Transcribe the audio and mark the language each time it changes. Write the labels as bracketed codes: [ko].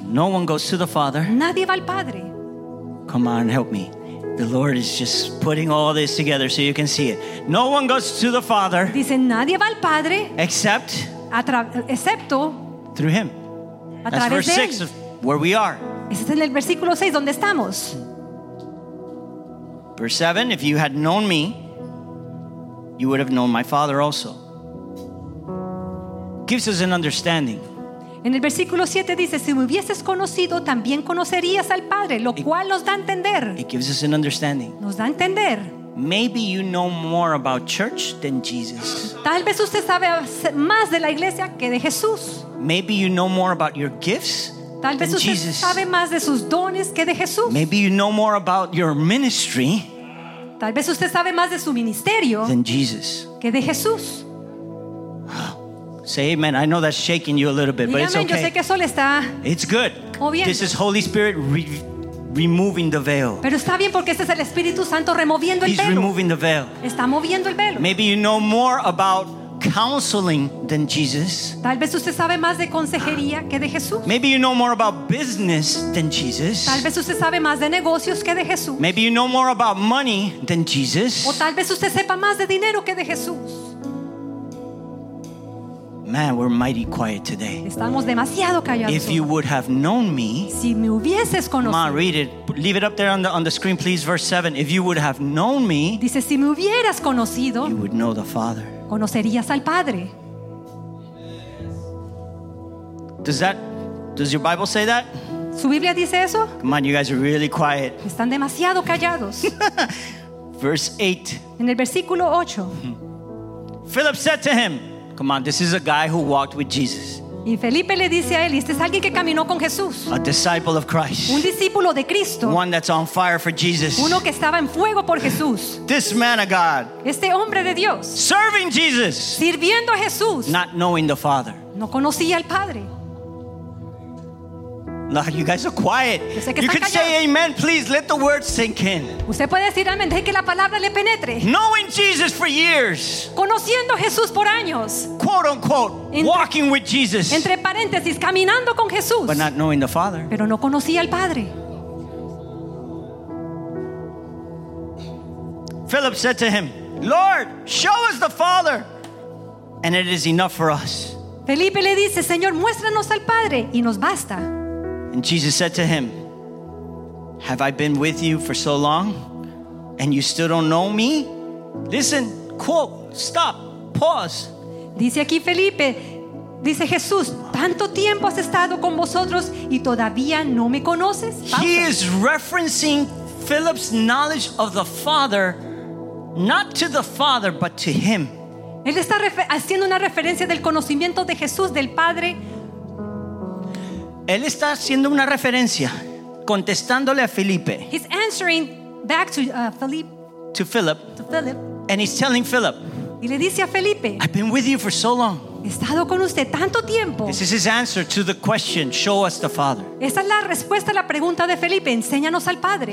[en] No one goes to the Father. [es] Nadie va al Padre. [en] Come on, help me. The Lord is just putting all this together so you can see it. No one goes to the Father. [es] Dice, nadie va al Padre. [en] Except. [es] Excepto. [en] Through him. That's verse 6 of where we are. [es] Ese es en el versículo 6 donde estamos. [en] Verse 7, if you had known me, you would have known my Father also. Gives us an understanding. [es] En el versículo 7 dice, si me hubieses conocido, también conocerías al Padre, lo cual nos da a entender. [en] It gives us an understanding. [es] Nos da a entender. [en] Maybe you know more about church than Jesus. [es] Tal vez usted sabe más de la iglesia que de Jesús. [en] Maybe you know more about your gifts. [es] Tal vez usted [en] Jesus. [es] Sabe más de sus dones que de Jesús. [en] Maybe you know more about your ministry. [es] Tal vez usted sabe más de su ministerio [en] than Jesus. [es] Que de Jesús. [en] Say amen. I know that's shaking you a little bit, but it's okay. [es] Yo sé que eso le está... [en] It's good. [es] Moviendo. [en] This is Holy Spirit removing the veil. [es] Pero está bien porque este es el Espíritu Santo removiendo [en] He's [es] el velo. [en] He's removing the veil. [es] Está moviendo el velo. [en] Maybe you know more about counseling than Jesus. [es] Tal vez usted sabe más de consejería que de Jesús. [en] Maybe you know more about business than Jesus. [es] Tal vez usted sabe más de negocios que de Jesús. [en] Maybe you know more about money than Jesus. [es] O tal vez usted sepa más de dinero que de Jesús. [en] Man, we're mighty quiet today. [es] Estamos demasiado callados. [en] If you would have known me, [es] si me hubieses conocido. [en] Ma, read it. Leave it up there on the screen, please, verse 7. If you would have known me, [es] dice, si me hubieras conocido, [en] you would know the Father. [es] Conocerías al Padre. [en] Does your Bible say that? [es] ¿Su Biblia dice eso? [en] Come on, you guys are really quiet. [es] Están demasiado callados. [en] Verse 8. [es] En el versículo 8. [en] Philip said to him, come on, this is a guy who walked with Jesus. [es] Y Felipe le dice a él, este es alguien que caminó con Jesús. [en] A disciple of Christ. [es] Un discípulo de Cristo. [en] One that's on fire for Jesus. [es] Uno que estaba en fuego por Jesús. [en] This man of God. [es] Este hombre de Dios. [en] Serving Jesus. [es] Sirviendo a Jesús. [en] Not knowing the Father. [es] No conocía al Padre. [en] No, you guys are quiet. You can say amen, please. Let the word sink in. [es] Usted puede decir amén, deje que la palabra le penetre. [en] Knowing Jesus for years. [es] Conociendo Jesús por años. [en] Quote unquote, walking with Jesus. [es] Entre paréntesis, caminando con Jesús. [en] But not knowing the Father. [es] Pero no conocía al Padre. [en] Philip said to him, Lord, show us the Father, and it is enough for us. [es] Felipe le dice, Señor, muéstranos al Padre, y nos basta. [en] And Jesus said to him, have I been with you for so long and you still don't know me? Listen, quote, stop, pause. [es] Dice aquí Felipe, dice Jesús, ¿tanto tiempo has estado con vosotros y todavía no me conoces? [en] He is referencing Philip's knowledge of the Father, not to the Father, but to him. [es] Él está haciendo una referencia del conocimiento de Jesús, del Padre. Él está haciendo una referencia, contestándole a Felipe. [en] He's answering back to Philip. To Philip. To Philip. And he's telling Philip. [es] Y le dice a Felipe. [en] I've been with you for so long. [es] He estado con usted tanto tiempo. [en] This is his answer to the question, show us the Father. [es] Esa es la respuesta a la pregunta de Felipe, enséñanos al Padre.